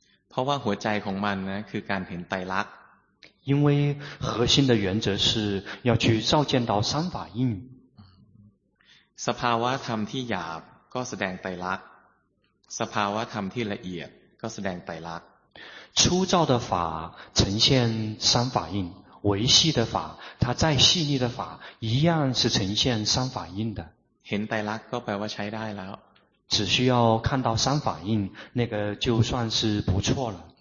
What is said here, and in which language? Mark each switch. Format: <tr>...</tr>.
<th>เพราะว่าหัวใจของมันนะคือการเห็นไตรลักษณ์</th> <zh>因为核心的原则是要去照见到三法印</zh> <th>สภาวะธรรมที่หยาบก็แสดงไตรลักษณ์สภาวะธรรมที่ละเอียดก็แสดงไตรลักษณ์</th> <zh>粗糙的法呈现三法印微细的法它再细腻的法一样是呈现三法印的</zh> <th>เห็นไตรลักษณ์ก็แปลว่าใช้ได้แล้ว</th> <zh>只需要看到三法印那个就算是不错了</zh>